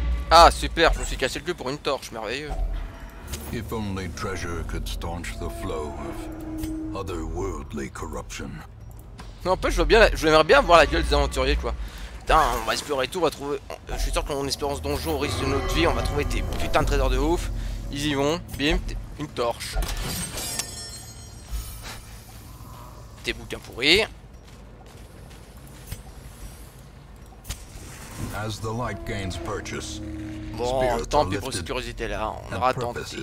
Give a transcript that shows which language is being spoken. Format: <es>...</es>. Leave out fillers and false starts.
<fr>Ah super, je me suis cassé le cul pour une torche, merveilleux.</fr> <en>If only treasure could staunch the flow of otherworldly corruption.</en> <fr>Non, en plus, j'aimerais bien voir la gueule des aventuriers, quoi. Putain, on va explorer tout, on va trouver... Je suis sûr qu'en espérant ce donjon au risque de notre vie, on va trouver tes putains de trésors de ouf. Ils y vont, bim, une torche. Tes bouquins pourris.</fr> <en>As the light gains purchase,</en> <fr>bon, tant pis pour cette curiosité là, on aura tenté.</fr>